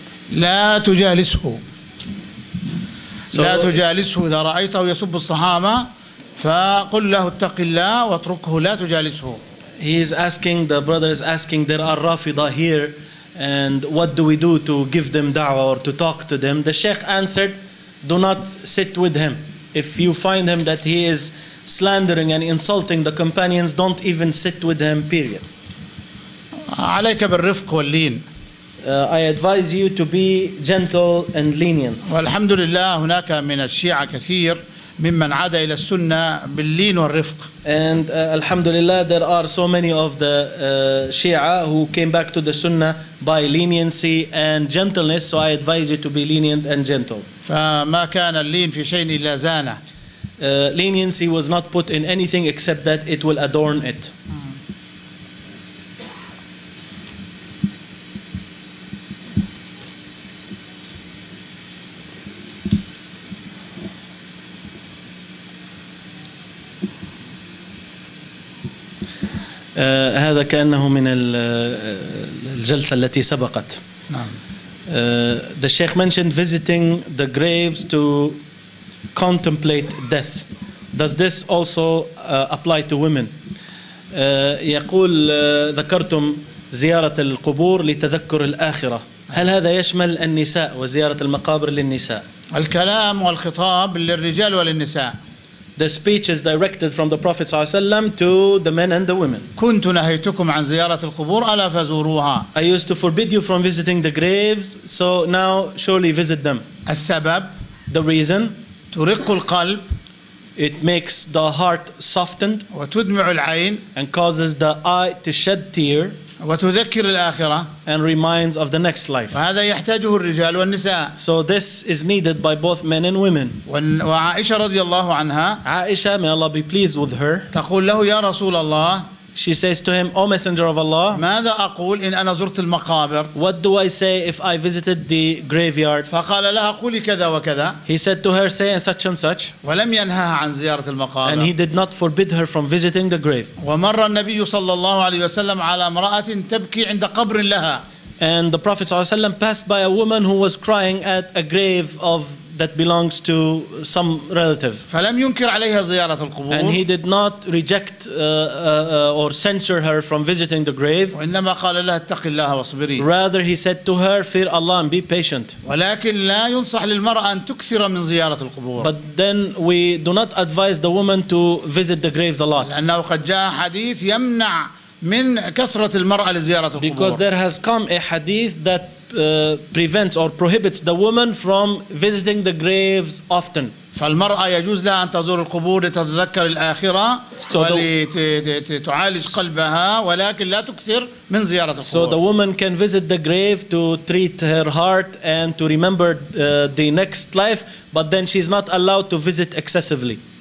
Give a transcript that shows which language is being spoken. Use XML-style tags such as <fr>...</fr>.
<ar>لا تجالسه لا تجالسه إذا رأيته يسب الصحابة فقل له اتق الله واتركه لا تجالسه.</ar> <en>He is asking, the brother is asking, there are Rafida here, and what do we do to give them da'wah or to talk to them? The Sheikh answered, do not sit with him. If you find him that he is slandering and insulting the companions, don't even sit with him, period.</en> <ar>عليك بالرفق واللين.</ar> <en>I advise you to be gentle and lenient.</en> <ar>والحمد لله هناك من الشيعة كثير ممن عاد إلى السنة باللين والرفق.</ar> <en>And</en> <ar>الحمد لله</ar> <en>there are so many of the Shia who came back to the Sunnah by leniency and gentleness. So I advise you to be lenient and gentle.</en> <ar>فما كان اللين في شيء إلا زانة.</ar> <en>Leniency was not put in anything except that it will adorn it.</en> <ar>هذا كأنه من الجلسة التي سبقت.</ar> <en>The Sheikh mentioned visiting the graves to contemplate death. Does this also apply to women?</en> <ar>يقول ذكرتم زيارة القبور لتذكر الآخرة. هل هذا يشمل النساء وزيارة المقابر للنساء؟ الكلام والخطاب للرجال وللنساء.</ar> <en>The speech is directed from the Prophet</en> <ar>صلى الله عليه وسلم</ar> <en>to the men and the women.</en> <ar>كنت نهيتكم عن زيارة القبور ألا فزوروها.</ar> <en>I used to forbid you from visiting the graves, so now surely visit them.</en> <ar>السبب.</ar> <en>The reason.</en> <ar>ترق القلب.</ar> <en>It makes the heart softened.</en> <ar>وتدمع العين.</ar> <en>And causes the eye to shed tear.</en> <ar>وتذكر الآخرة.</ar> <en>And reminds of the next life.</en> <ar>وهذا يحتاجه الرجال والنساء.</ar> <en>So this is needed by both men and women.</en> <ar>وعائشة رضي الله عنها.</ar> <en>عائشة, may Allah be pleased with her.</en> <ar>تقول له يا رسول الله.</ar> <en>She says to him, O Messenger of Allah.</en> <ar>ماذا أقول إن أنا زرت المقابر؟</ar> <en>What do I say if I visited the graveyard?</en> <ar>فقال لها قولي كذا وكذا.</ar> <en>He said to her, say such and such.</en> <ar>ولم ينهاها عن زيارة المقابر.</ar> <en>And he did not forbid her from visiting the grave.</en> <ar>ومر النبي صلى الله عليه وسلم على امرأة تبكي عند قبر لها.</ar> <en>And the Prophet</en> <ar>صلى الله عليه وسلم</ar> <en>passed by a woman who was crying at a grave of that belongs to some relative.</en> <ar>فلم ينكر عليها زيارة القبور.</ar> <en>And he did not reject or censure her from visiting the grave.</en> <ar>وإنما قال لها اتق الله واصبري.</ar> <en>Rather he said to her, fear Allah and be patient.</en> <ar>ولكن لا ينصح للمرأة أن تكثر من زيارة القبور.</ar> <en>But then we do not advise the woman to visit the graves a lot.</en> <ar>لأنه قد جاء حديث يمنع من كثرة المرأة لزيارة القبور.</ar> <en>Because there has come a hadith that prevents or prohibits the woman from visiting the graves often.</en> <ar>فالمرأة يجوز لها أن تزور القبور لتتذكر الآخرة ولتعالج قلبها ولكن لا تكثر من زيارة القبور.</ar> <en>So the woman can visit the grave to treat her heart and to remember the next life, but then she's not allowed to visit excessively.</en>